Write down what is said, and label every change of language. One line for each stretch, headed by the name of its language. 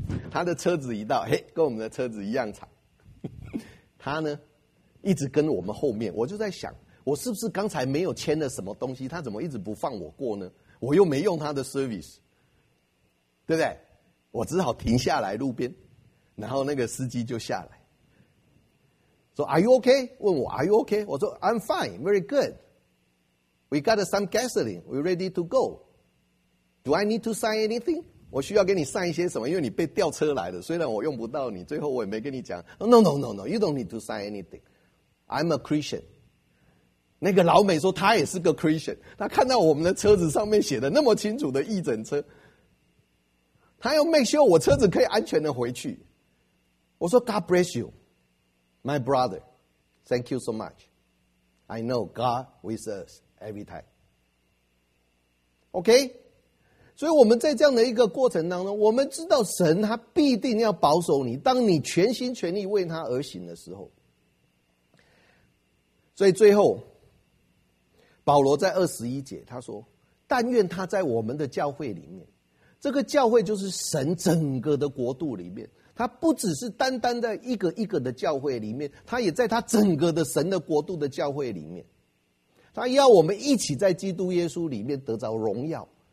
Chinese: 他的车子一到，嘿，跟我们的车子一样长。他呢，一直跟我们后面。我就在想，我是不是刚才没有签了什么东西？他怎么一直不放我过呢？我又没用他的 service， 对不对？我只好停下来路边。然后那个司机就下来说
English: Are you okay?
Chinese: 问我
English: Are you okay?
Chinese: 我说
English: I'm fine, very good. We got some gasoline, we're ready to go. Do I need to sign anything?
Chinese: 我需要给你 sign 一些什么？因为你被吊车来的，虽然我用不到你，最后我也没跟你讲
English: No, no, no, no, you don't need to sign anything. I'm a Christian.
Chinese: 那个老美说他也是个 Christian, 他看到我们的车子上面写的那么清楚的义诊车，他要 make sure 我车子可以安全的回去。我说
English: God bless you, my brother. Thank you so much. I know God with us every time. OK?
Chinese: 所以我们在这样的一个过程当中，我们知道神他必定要保守你，当你全心全力为他而行的时候。所以最后保罗在21节他说，但愿他在我们的教会里面，这个教会就是神整个的国度里面，他不只是单单在一个一个的教会里面，他也在他整个的神的国度的教会里面，他要我们一起在基督耶稣里面得着荣耀。